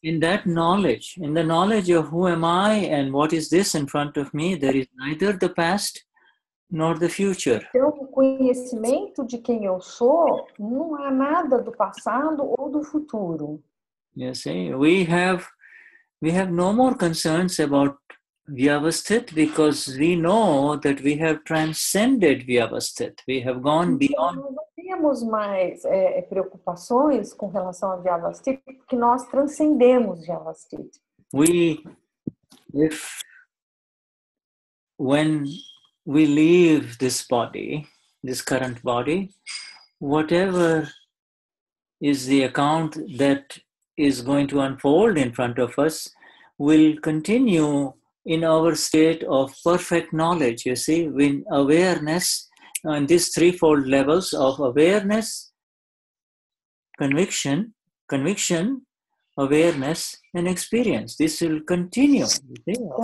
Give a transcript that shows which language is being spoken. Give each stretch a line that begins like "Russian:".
English: In that knowledge, in the knowledge of who am I and what is this in front of me, there is neither the past nor the future.
Portuguese: Então, o conhecimento de quem eu sou, não há nada do passado ou do futuro.
English: You see, we have no more concerns about Vyavasthit because we know that we have transcended Vyavasthit. We have gone beyond.
Portuguese: Não temos mais preocupações com relação a Vyavasthit porque nós transcendemos Vyavasthit.
English: When we leave this body, this current body, whatever is the account that is going to unfold in front of us will continue in our state of perfect knowledge, you see, when awareness and these threefold levels of awareness, conviction, awareness and experience, this will continue, you see.